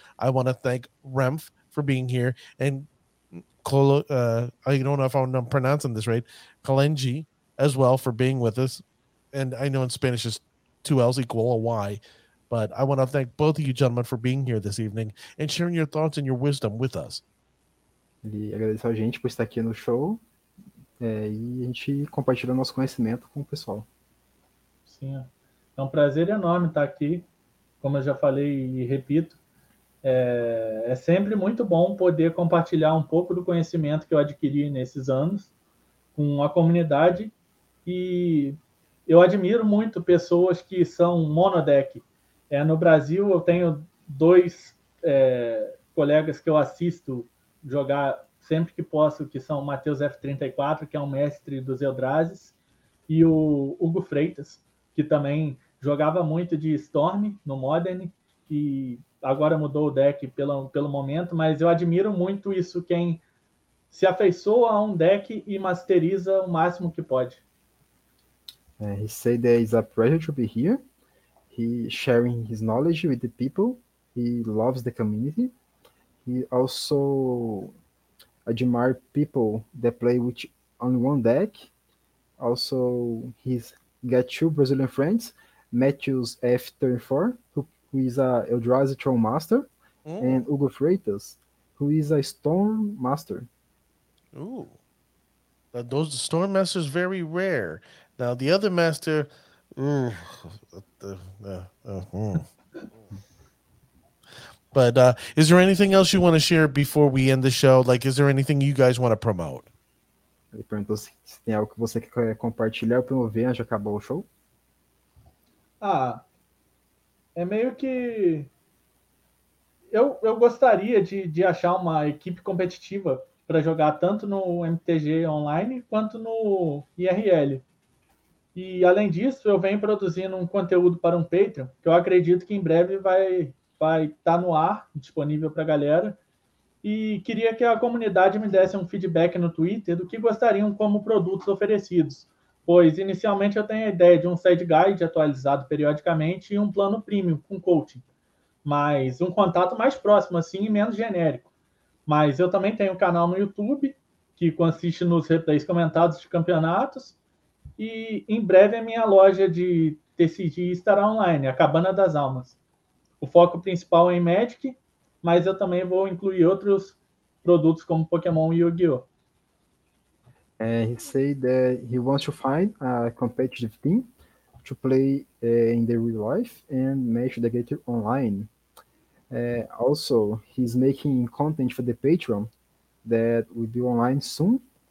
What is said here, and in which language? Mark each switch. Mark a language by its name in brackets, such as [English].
[English] I want to thank Remf for being here and Kolo, I don't know if I'm pronouncing this right, Kalenji as well for being with us. And I know in Spanish it's two L's equal a Y, but I want to thank both of you gentlemen for being here this evening and sharing your thoughts and your wisdom with us. [Portuguese] E agradeço a gente por estar aqui no show, e a gente compartilha nosso conhecimento com o pessoal. Sim, é um prazer enorme estar aqui. Como eu já falei e repito, é sempre muito bom poder compartilhar um pouco do conhecimento que eu adquiri nesses anos com a comunidade. E eu admiro muito pessoas que são monodeck. No Brasil, eu tenho dois colegas que eu assisto jogar sempre que posso, que são o Matheus F34, que é um mestre dos Eldrazes, e o Hugo Freitas, que também jogava muito de Storm no Modern, e agora mudou o deck pelo momento, mas eu admiro muito isso, quem se afeiçoa a um deck e masteriza o máximo que pode. [English] He said that it's a pleasure to be here. He sharing his knowledge with the people. He loves the community. He also admire people that play with only one deck. Also, he's got two Brazilian friends, Matheus F34, who is a Eldrazi Tron Master, and Hugo Freitas, who is a Storm Master. Ooh. Those Storm Masters very rare. Now the other master, But is there anything else you want to share before we end the show? Like, is there anything you guys want to promote? [Portuguese] Ele perguntou se tem algo que você quer compartilhar ou promover, já acabou o show? Ah, é meio que eu gostaria de achar uma equipe competitiva para jogar tanto no MTG online quanto no IRL. E além disso, eu venho produzindo um conteúdo para um Patreon, que eu acredito que em breve vai estar no ar, disponível para a galera. E queria que a comunidade me desse um feedback no Twitter do que gostariam como produtos oferecidos. Pois inicialmente eu tenho a ideia de um side guide atualizado periodicamente e um plano premium com coaching. Mas um contato mais próximo, assim, e menos genérico. Mas eu também tenho um canal no YouTube, que consiste nos replays comentados de campeonatos. E em breve a minha loja de TCG estará online, a Cabana das Almas. O foco principal é em Magic, mas eu também vou incluir outros produtos como Pokémon e Yu-Gi-Oh! [English] He said that he wants to find a competitive team to play in the real life and match the game online. Also, he's making content for the Patreon that will be online soon.